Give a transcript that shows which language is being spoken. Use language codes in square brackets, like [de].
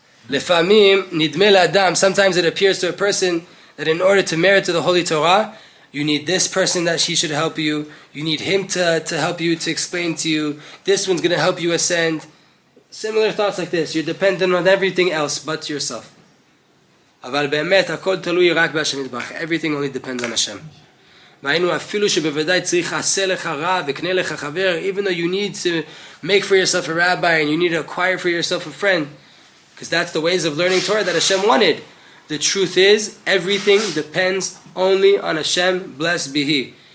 [he] לפעמים נדמה לאדם, [en] sometimes it appears to a person that in order to merit to the Holy Torah, you need this person that he should help you, you need him to help you, to explain to you, this one's going to help you ascend. Similar thoughts like this. You're dependent on everything else but yourself. [he] אבל באמת הכל תלוי רק בהשם יתברך. [en] Everything only depends on Hashem. [he] והיינו אפילו שבוודאי צריך עשה לך רב וקנה לך חבר, [en] even though you need to make for yourself a rabbi and you need to acquire for yourself a friend, because that's the ways of learning Torah that Hashem wanted. The truth is, everything depends only on Hashem, blessed be He.